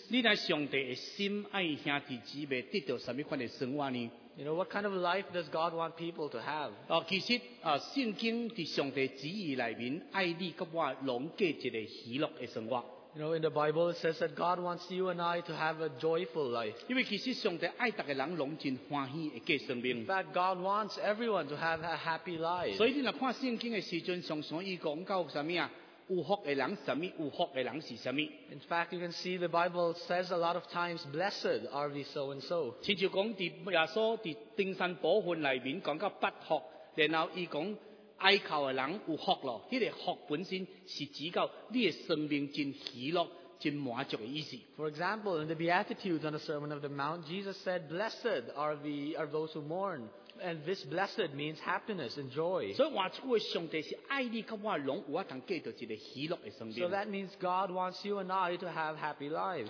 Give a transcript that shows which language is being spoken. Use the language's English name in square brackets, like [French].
[Min Nan Chinese] 你若上帝的心爱兄弟姊妹得到什么款的生活呢？ [English] You know, what kind of life does God want people to have? [Min Nan Chinese] 其实圣经在上帝旨意里面爱你跟我拢过一个喜乐的生活。 [English] You know, in the Bible it says that God wants you and I to have a joyful life. [Min Nan Chinese] 因为其实上帝爱大家人拢真欢喜的过生命。 [English] In fact, God wants everyone to have a happy life. [Min Nan Chinese] 所以你若看圣经的时阵，常常伊讲到什么啊？有福的人什么？有福的人是什么？ [English] In fact, you can see the Bible says a lot of times, blessed are the so and so. [Min Nan Chinese] 亲像讲伫耶稣伫登山宝训内面讲到八福，然后伊讲哀哭的人有福咯。迄个福本身是指到你的生命真喜乐、真满足的意思。 [English] For example, in the Beatitudes on the Sermon of the Mount, Jesus said, "Blessed are the are those who mourn." And this blessed means happiness and joy. So that means God wants you and I to have happy lives.